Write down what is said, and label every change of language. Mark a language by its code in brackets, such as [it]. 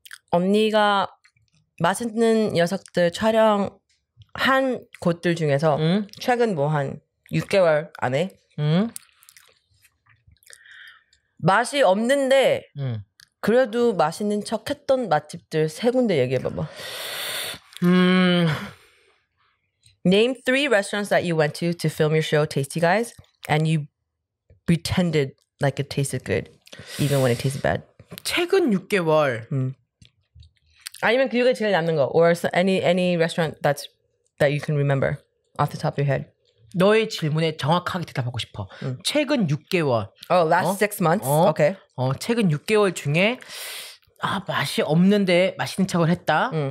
[ko] 언니가 맛있는 녀석들 촬영한 곳들 중에서 최근 뭐 한 6개월 안에 맛이 없는데 그래도 맛있는 척 했던 맛집들 세 군데 얘기해봐봐. [en] Name three restaurants that you went to film your show Tasty Guys and you pretended like it tasted good even when it tasted bad. [ko] 최근 6개월. 아니면 그게 제일 남는 거. [en] Or any restaurant that you can remember off the top of your head. [ko] 너의 질문에 정확하게 대답하고 싶어. 최근 6개월. [en] Oh, last 6 months. 오케이. [ko] 어, 최근 6개월 중에 아, 맛이 없는데 맛있는 척을 했다.